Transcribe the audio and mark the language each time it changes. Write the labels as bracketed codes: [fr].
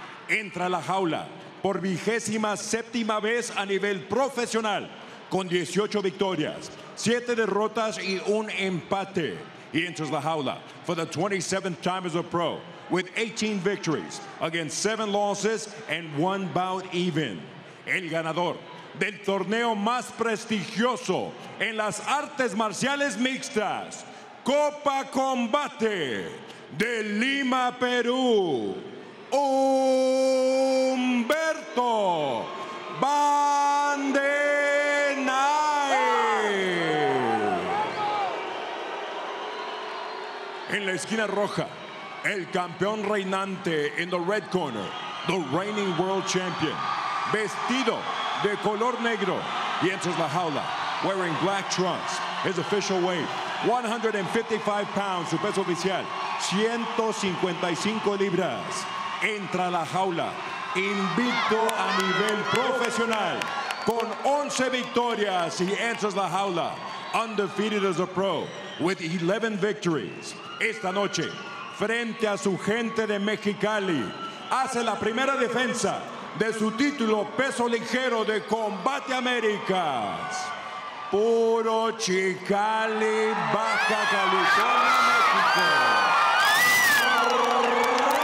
[es] Entra a la jaula por 27ª vez a nivel profesional, con 18 victorias, 7 derrotas y un empate. [en] He enters the jaula for the 27th time as a pro, with 18 victories against 7 losses and 1 bout even. [es] El ganador del torneo más prestigioso en las artes marciales mixtas, Copa Combate de Lima, Perú, Humberto Bandenay. En la esquina roja, el campeón reinante, [en] in the red corner, the reigning world champion, [es] vestido de color negro. [en] He enters la jaula wearing black trunks. His official weight, 155 pounds. [es] Su peso oficial, 155 libras. Entra la jaula invicto a nivel profesional con 11 victorias. [en] He enters la jaula undefeated as a pro with 11 victories. [es] Esta noche, frente a su gente de Mexicali, hace la primera defensa de su título peso ligero de Combate Américas. Puro Chicali, Baja California, México.